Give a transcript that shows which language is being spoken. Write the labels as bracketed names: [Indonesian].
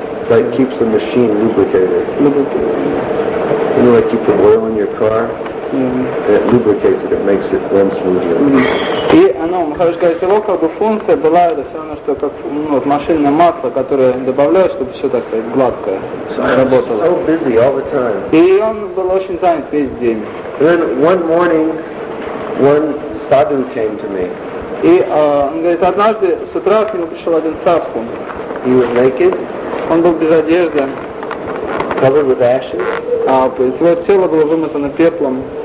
[English] Like keeps the machine lubricated. You know, like you put oil in your car. Mm-hmm. It lubricates it, it makes it run smoother. [Russian] И оно, Махарадж говорит, его как бы функция была это все равно, что как машинное масло, которое добавляют, чтобы все, так сказать, гладкое работало. [English] So busy all the time. [Russian] И он был очень занят весь день. [English] Then one morning, one sadhu came to me. [Russian] И он говорит, однажды с утра к нему пришел один садху. [English] He was naked. [Russian] Он был без одежды. [English] Covered with ashes. [Russian] Его тело было вымазано пеплом.